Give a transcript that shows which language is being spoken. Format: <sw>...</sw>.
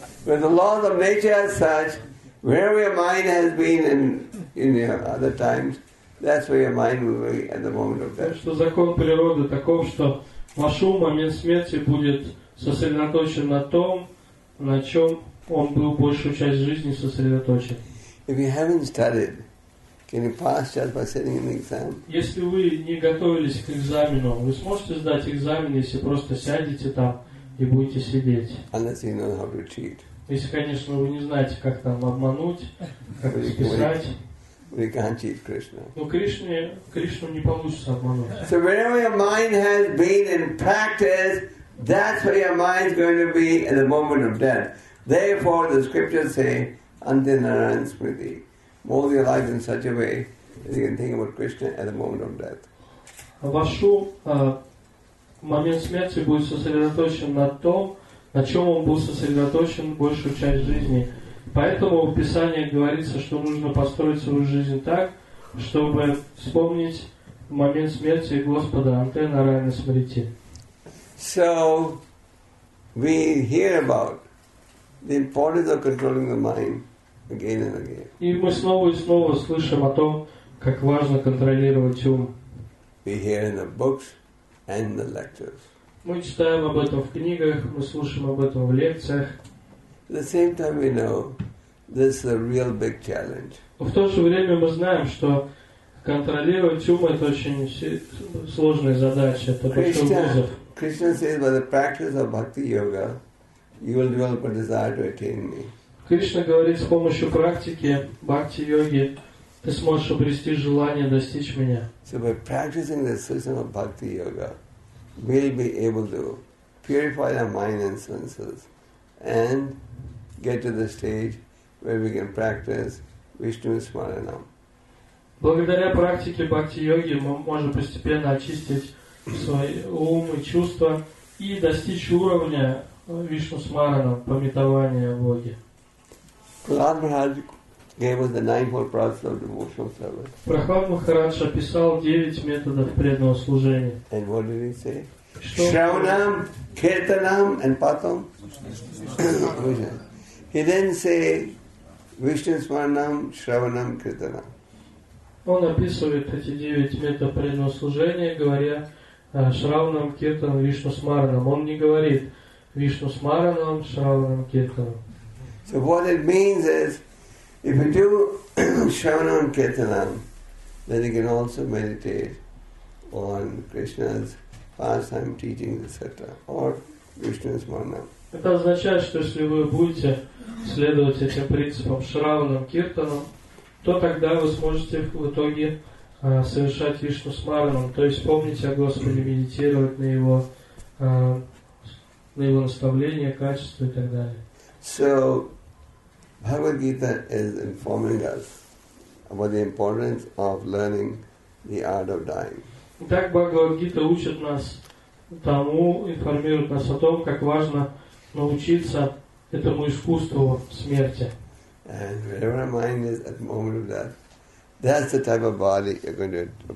<en>But the laws of nature are such, wherever your mind has been in the other times, that's where your mind will be at the moment of death.</en> <ru>Что закон природы таков, что ваш ум в момент смерти будет сосредоточен на том, на чем он был большую часть жизни сосредоточен.</ru> <en>If you haven't studied, can you pass just by sitting in the exam?</en> <ru>Если вы не готовились к экзамену, вы сможете сдать экзамен, если просто сядете там и будете сидеть.</ru> <en>Unless you know how to cheat.</en> <ru>Если, конечно, вы не знаете, как там обмануть, как списать.</ru> <en>We can't cheat Krishna.</en> <ru>Но Кришну не получится обмануть.</ru> <en>So wherever your mind has been in practice, that's where your mind is going to be in the moment of death. Therefore, the scriptures say, "Antinaran smriti." Mold your life in such a way that you can think about Krishna at the moment of death.</en> <ru>Ваш момент смерти будет сосредоточен на том, на чем он был сосредоточен большую часть жизни. Поэтому в Писании говорится, что нужно построить свою жизнь так, чтобы вспомнить момент смерти Господа Антинараяна Смрити.</ru> <en>So we hear about the importance of controlling the mind again and again.</en> <ru>И мы снова и снова слышим о том, как важно контролировать ум.</ru> <en>We hear in the books and the lectures.</en> <ru>Мы читаем об этом в книгах, мы слушаем об этом в лекциях.</ru> <en>At the same time, we know this is a real big challenge.</en> <ru>В то же время мы знаем, что контролировать ум — это очень сложная задача, это большой вызов.</ru> <en>Krishna says, by the practice of bhakti yoga, you will develop a desire to attain me.</en> <ru>Кришна говорит, с помощью практики бхакти йоги ты сможешь обрести желание достичь меня.</ru> <en>So by practicing the system of bhakti yoga, we'll be able to purify our mind and senses and get to the stage where we can practice Vishnu Smaranam.</en> <ru>Благодаря практике бхакти йоги мы можем постепенно очистить свои ум и чувства и достичь уровня Вишну Смаранам, памятования Боге.</ru> <en>Prahlad Maharaj gave us the ninefold process of devotional service.</en> <ru>Прохлад Махарадж описал 9 методов преданного служения.</ru> <en>And what did he say? Shravanam, Kirtanam, and Patam. He then say Vishnu Smaranam, Shravanam, Kirtanam.</en> <ru>Он описывает эти 9 методов преданного служения, говоря Шравнам, Киртанам, Вишну Смаранам. Он не говорит Вишну Смаранам, Шравнам, Киртанам.</ru> <en>So what it means is, if you do Shravanam, Kirtanam, then you can also meditate on Krishna's pastime teachings, etc., or Vishnu Smaranam.</en> <ru>Это означает, что если вы будете следовать этим принципам Шравнам, Киртанам, то тогда вы сможете в итоге совершать Вишну Смаранам, то есть помнить о Господе, медитировать на Его, на Его наставления, качества и так далее.</ru> <en>So, Bhagavad Gita is informing us about the importance of learning the art of dying.</en> <ru>Итак, Бхагавад Гита учит нас тому, информирует нас о том, как важно научиться этому искусству смерти.</ru> <en>And wherever our mind is at the moment of death, that's the type of body you're going to adopt.</en>